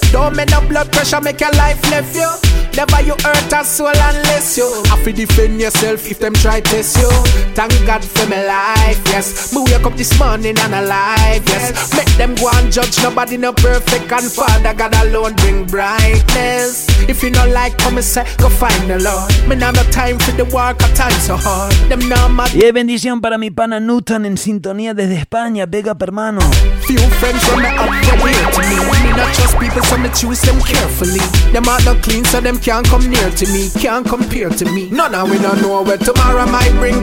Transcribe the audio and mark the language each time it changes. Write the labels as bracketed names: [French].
[English] Don't make no blood pressure, make your life left you. Never you hurt a soul unless you have to defend yourself if them try test you. Thank God for my life, yes. Me wake up this morning and alive, yes. Make them go and judge, nobody no perfect. And Father God alone bring brightness. If you not like, come and say, go find the Lord. Me now no time for the work, I time so hard. Them no [Spanish] y es bendición para mi pana Newton en sintonía desde España. [English] Big up, [Spanish] hermano. [English] Few friends from the up to me. Me no Trust people so me choose them carefully. Them are not clean so them can't come near to me. Can't compare to me. None of we don't know where tomorrow might bring.